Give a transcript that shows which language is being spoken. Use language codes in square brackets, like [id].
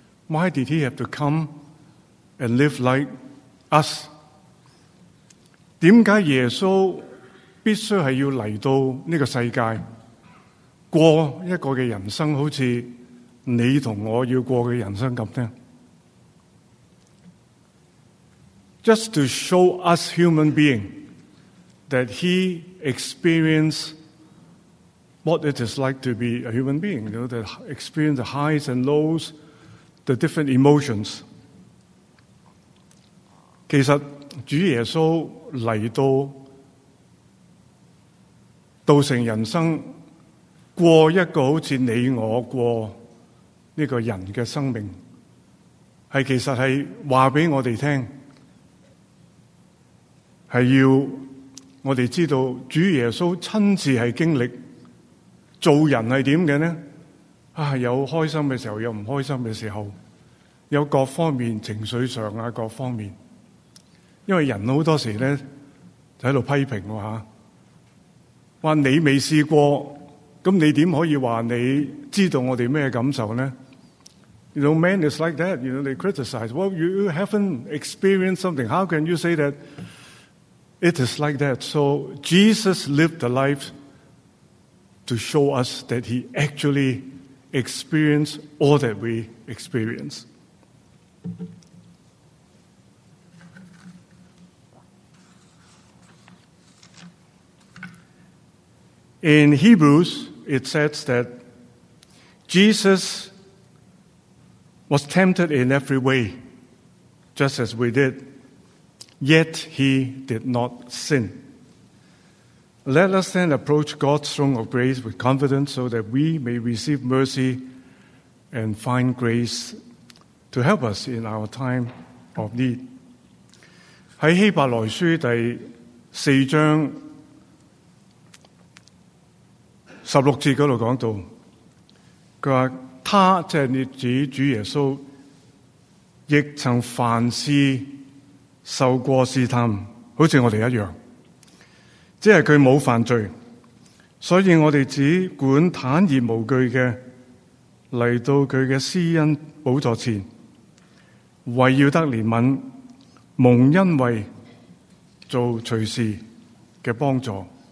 [en] Why did he have to come and live like us? [zh] 为什么耶稣必须是要来到这个世界过一个的人生，好像你和我要过的人生一样呢？ [en] Just to show us human being that he experienced what it is like to be a human being, you know, to experience the highs and lows, the different emotions. [zh] 其实主耶稣来到道成人生，过一个好像你我过这个人的生命，是其实是告诉我们听，是要我们知道主耶稣亲自是经历做人是怎样的呢？有开心的时候，有不开心的时候，有各方面情绪上啊，各方面。因为人很多时呢就在批评啊，说你未试过，那你怎可以说你知道我们什么感受呢？ [en] You know, man is like that, you know, they criticize. Well, you haven't experienced something. How can you say that? It is like that. So Jesus lived the life to show us that he actually experienced all that we experience. In Hebrews, it says that Jesus was tempted in every way, just as we did. Yet he did not sin. Let us then approach God's throne of grace with confidence so that we may receive mercy and find grace to help us in our time of need. [zh] 在希伯来书第四章十六节那里讲到，他说他即是指主耶稣亦曾凡事受过试探，好像我们一样，只是他没有犯罪，所以我们只管坦然无惧的来到他的施恩宝座前，为要得怜悯，蒙恩惠，做随时的帮助。